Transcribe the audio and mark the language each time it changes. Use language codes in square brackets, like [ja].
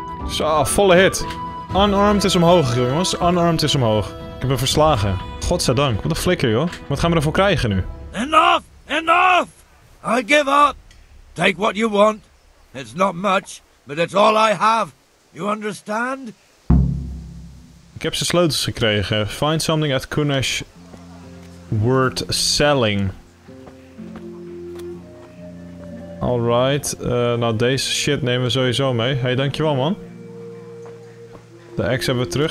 [nl] Zo, volle hit. Unarmed is omhoog, jongens. Unarmed is omhoog. Ik heb hem verslagen. Godzijdank. Wat een flikker, joh. Wat gaan we ervoor krijgen nu? [en] Enough! I give up. Take what you want. It's not much, but it's all I have. You understand? [nl] Ik heb zijn sleutels gekregen. [en] Find something at Kunesh worth selling. [nl] Alright. Nou, deze shit nemen we sowieso mee. Hey, dankjewel, man. De axe hebben we terug.